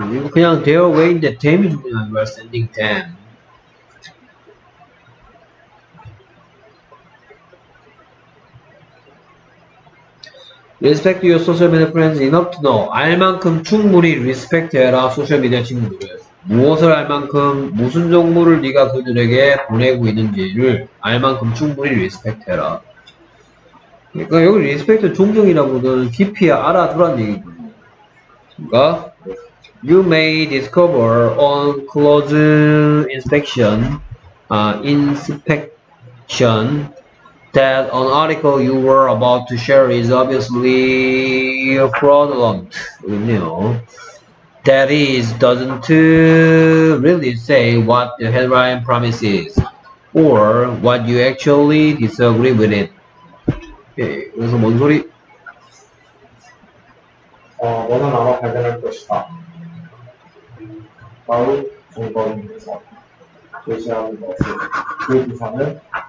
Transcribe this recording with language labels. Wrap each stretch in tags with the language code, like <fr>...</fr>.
<en>그냥 they are waiting the time when you are sending them. Respect your social media friends enough to know.</en> <ko>알 만큼 충분히 respect해라 social media 친구들. 무엇을 알 만큼 무슨 정보를 네가 그들에게 보내고 있는지를 알 만큼 충분히 respect해라. 그러니까 여기 respect 존경이라고는 깊이 알아두란 얘기거든요.</ko> <en>그러니까 you may discover on close inspection, inspection. That an article you were about to share is obviously fraudulent. You know, that is, doesn't really say what the headline promises or what you actually disagree with it.</en> <ko>Okay, 그래서 뭔 소리? 너는 아마 발견할 것이다. 바로 정보를 위해서 제시하는 것을 그 기사는</ko>